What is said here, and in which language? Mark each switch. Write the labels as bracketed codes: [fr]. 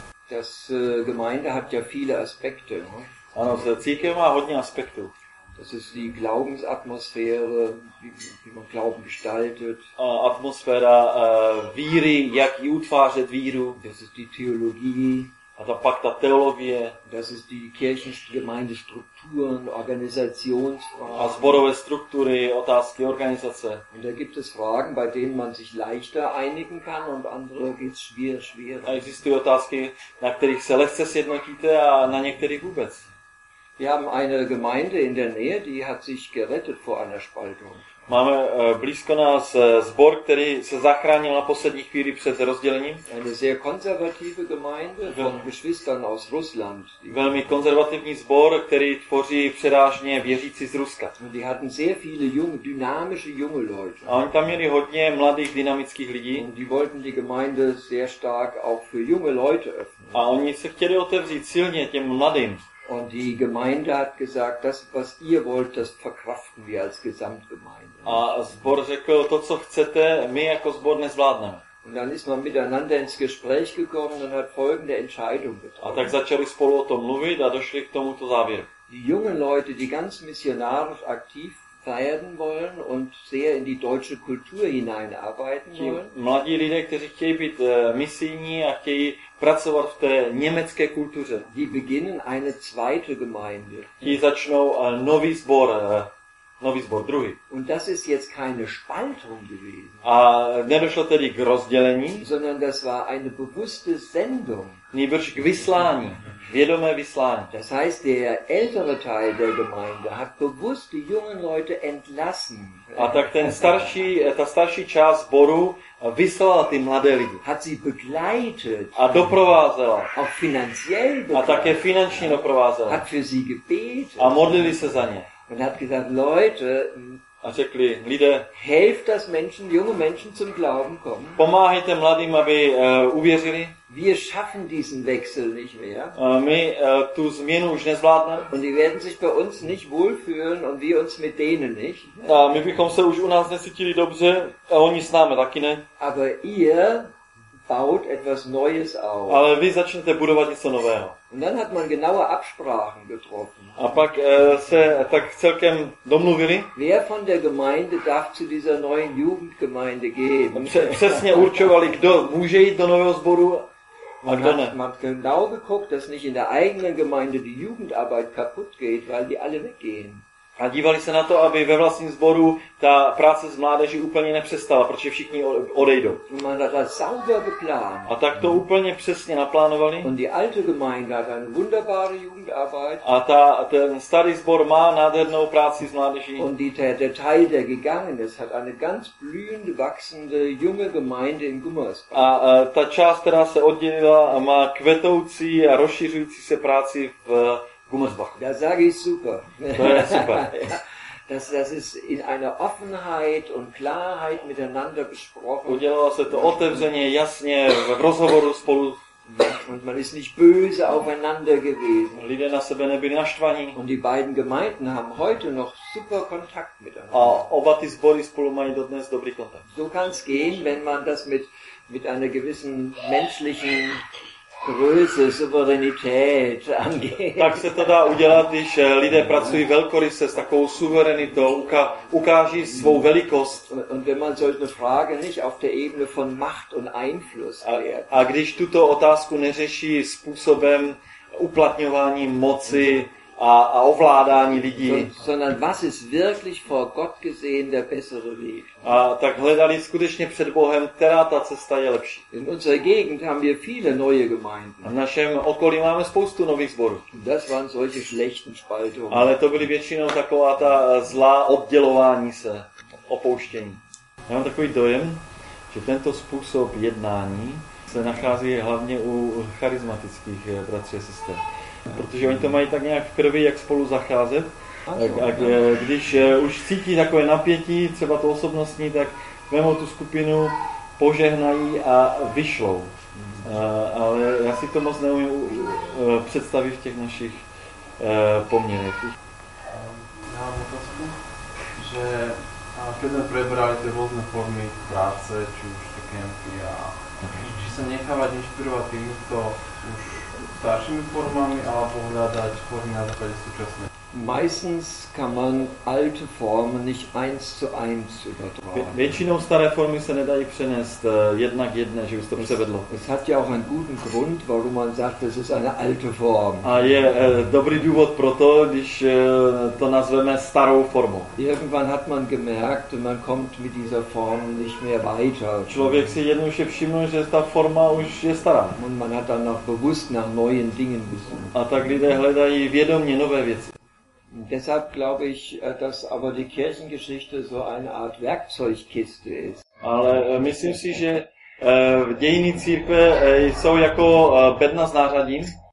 [de] Das Gemeinde hat ja viele Aspekte. [cs] Ano, církev má hodně aspektů. [de] Das ist die Glaubensatmosphäre, wie man Glauben gestaltet. [cs] Atmosféra víry, jak ji utvářet víru. [de] Das ist die Theologie. [cs] A to pak ta teologie. [de] Das ist die Kirchengemeindestrukturen, Organisationsfragen. [cs] A zborové struktury, otázky organizace. [de] Und da gibt es Fragen, bei denen man sich leichter einigen kann und andere geht's schwerer. [cs] A existují otázky, na kterých se lehce sjednotíte a na některých vůbec. [de] Wir haben eine Gemeinde in der Nähe, die hat sich gerettet vor einer Spaltung. [cs] Máme blízko nás zbor, který se zachránil na poslední chvíli před rozdělením. [de] Eine sehr konservative Gemeinde von Geschwistern aus Russland. [cs] Velmi konzervativní zbor, který tvoří převážně věřící z Ruska. [de] Die hatten sehr viele junge, dynamische junge Leute. [cs] A oni tam měli hodně mladých, dynamických lidí. [de] Und die wollten die Gemeinde sehr stark auch für junge Leute öffnen. [cs] A oni se chtěli otevřít silně těm mladým. [de] Und die Gemeinde hat gesagt, das, was ihr wollt, das verkraften wir als Gesamtgemeinde. [cs] A zbor řekl, to, co chcete, my jako zbor nezvládneme. [de] Und dann ist man miteinander ins Gespräch gekommen und hat folgende Entscheidung getroffen. [cs] A tak začali spolu o tom mluvit a došli k tomuto závěru. [de] Die jungen Leute, die ganz missionarisch aktiv werden wollen und sehr in die deutsche Kultur hineinarbeiten wollen. [cs] Mladí lidé, kteří chtějí být misijní a chtějí pracovat v té německé kultuře. [de] Die beginnen eine zweite Gemeinde. [cs] Ti začnou nový zbor druhý. [de] Und das ist jetzt keine Spaltung gewesen. [cs] A nedošlo tedy k rozdělení. [de] Sondern das war eine bewusste Sendung. [cs] Nýbrž k vyslání. Vědomé vyslání. [de] Das heißt, der ältere Teil der Gemeinde hat bewusst die jungen Leute entlassen. [cs] A tak ta starší část sboru vyslala ty mladé lidi. [de] Hat sie begleitet. [cs] A doprovázela. [de] Auch finanziell begleitet. [cs] A také finančně doprovázela. [de] Hat für sie gebetet. [cs] A modlili se za ně. [de] Und hat gesagt, Leute, [cs] a řekli, lidé, [de] helft das Menschen, junge Menschen zum Glauben kommen. [cs] Pomáhejte mladým, aby uvěřili. [de] Wir schaffen diesen Wechsel nicht mehr. [cs] Tu změnu už nezvládneme. [de] Und die werden sich bei uns nicht wohlfühlen und wir uns mit denen nicht. [cs] A my bychom se už u nás necítili dobře a oni s námi taky ne. [de] Aber ihr baut etwas Neues auf. [cs] Ale vy začnete budovat něco nového. [de] Und dann hat man genaue Absprachen getroffen. [cs] A pak se tak celkem domluvili. [de] Wer von der Gemeinde darf zu dieser neuen Jugendgemeinde gehen? [cs] Přesně určovali, kdo může jít do nového sboru. [de] Man hat genau geguckt, dass nicht in der eigenen Gemeinde die Jugendarbeit kaputt geht, weil die alle weggehen. [cs] A dívali se na to, aby ve vlastním sboru ta práce s mládeží úplně nepřestala, protože všichni odejdou. [de] Man hat das sauber geplant. [cs] A tak to úplně přesně naplánovali. [de] Und die alte Gemeinde hat eine wunderbare Jugendarbeit. [cs] A ten starý sbor má nádhernou práci s mládeží. [de] Und der Teil, der gegangen ist, hat eine ganz blühende, wachsende, junge Gemeinde in Gummersbach. [cs] A ta část, která se oddělila, má kvetoucí a rozšiřující se práci v Gummersbach. [de] Da sage ich super. [cs] Super. [de] Das ist in einer Offenheit und Klarheit miteinander besprochen. [cs] Udělalo se to otevřeně, jasně, v rozhovoru spolu. [de] Und man ist nicht böse aufeinander gewesen. [cs] Lidé na sebe nebyli naštvaní. [de] Und die beiden Gemeinden haben heute noch super Kontakt miteinander. [cs] A oba ty sbory spolu mají dodnes dobrý kontakt. [de] So kann's gehen, wenn man das mit einer gewissen menschlichen Kruci, suverenitét angeht. [cs] Tak se to dá udělat, když lidé pracují velkoryse s takovou suverenitou, ukáží svou velikost. [de] Und wenn man solche Frage nicht auf der Ebene von Macht und Einfluss klärt. [cs] A když tuto otázku neřeší způsobem uplatňování moci a ovládání lidí. [de] Sondern was ist wirklich vor Gott gesehen der bessere Weg? [cs] A tak hledali skutečně před Bohem, která ta cesta je lepší. [de] In unserer Gegend haben wir viele neue Gemeinden. [cs] A v našem okolí máme spoustu nových zborů. [de] Das waren solche schlechten Spaltungen. [cs] Ale to byly většinou taková ta zlá oddělování se, opouštění. Já mám takový dojem, že tento způsob jednání se nachází hlavně u charismatických bratří a sester. Protože oni to mají tak nějak v krvi, jak spolu zacházet. Tak když už cítí takové napětí, třeba to osobnostní, tak vemou tu skupinu, požehnají a vyšlou. Ale já si to moc neumím představit v těch našich poměrech. Já mám otázku, že když jsme probrali ty různé formy práce, či už ty kempy, či se nechávat inspirovat týmto už staršími formami, [sk] alebo hľadať formy na základe súčasné. [de] Meistens kann man alte Formen nicht eins zu eins übertragen. [cs] Většinou staré formy se nedají přenést jednak jedné, že bys to převedlo. [de] Es hat ja auch einen guten Grund, warum man sagt, das ist eine alte Form. [cs] A je dobrý důvod pro to, když to nazveme starou formou. [de] Irgendwann hat man gemerkt, man kommt mit dieser Form nicht mehr weiter. [cs] Člověk si jednou už je všiml, že ta forma už je stará. [de] Und man hat dann auch bewusst nach neuen Dingen gesucht. [cs] A tak lidé hledají vědomě nové věci. [de] Deshalb glaube ich, dass aber die Kirchengeschichte so eine Art Werkzeugkiste ist. [cs] Ale myslím si, že dějiny církve jsou jako bedna s nářadím.